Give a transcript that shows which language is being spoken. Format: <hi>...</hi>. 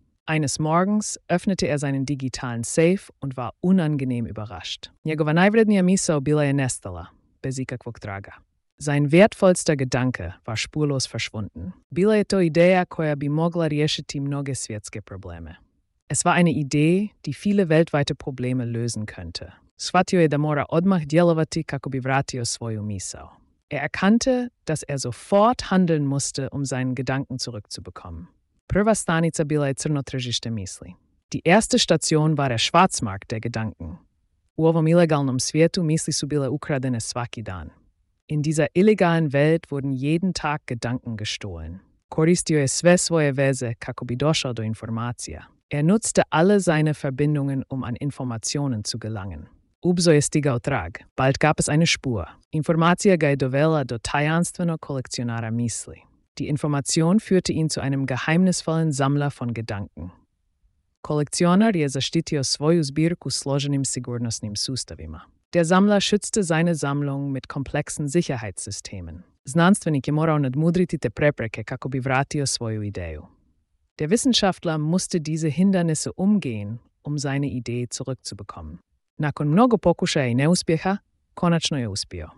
<de>Eines Morgens öffnete er seinen digitalen Safe und war unangenehm überrascht.</de> <hr>Njegova najvrednija misao bila je nestala, bez ikakvog traga.</hr> <de>Sein wertvollster Gedanke war spurlos verschwunden.</de> <hr>Bila je to ideja koja bi mogla riješiti mnoge svjetske probleme.</hr> <de>Es war eine Idee, die viele weltweite Probleme lösen könnte.</de> <hr>Shvatio je da mora odmah djelovati kako bi vratio svoju misao.</hr> <de>Er erkannte, dass er sofort handeln musste, um seinen Gedanken zurückzubekommen.</de> <hr>Prva stanica bila je crno tržište misli.</hr> <de>Die erste Station war der Schwarzmarkt der Gedanken.</de> <hr>U ovom illegalnom svijetu misli su bile ukradene svaki dan.</hr> <de>In dieser illegalen Welt wurden jeden Tag Gedanken gestohlen.</de> <hr>Koristio je sve svoje veze kako bi došao do informacija.</hr> <de>Er nutzte alle seine Verbindungen, um an Informationen zu gelangen.</de> <hr>Ubzo je stigao trag.</hr> <de>Bald gab es eine Spur.</de> <hr>Informacija ga je dovela do tajanstvenog kolekcionara misli.</hr> <de>Die Information führte ihn zu einem geheimnisvollen Sammler von Gedanken.</de> <hr>Kolekcionar je zaštitio svoju zbirku složenim sigurnosnim sustavima.</hr> <de>Der Sammler schützte seine Sammlung mit komplexen Sicherheitssystemen.</de> <hr>Znanstvenik je morao nadmudriti te prepreke kako bi vratio svoju ideju.</hr> <de>Der Wissenschaftler musste diese Hindernisse umgehen, um seine Idee zurückzubekommen.</de> <hr>Nakon mnogo pokušaja i neuspjeha, konačno je uspio.</hr>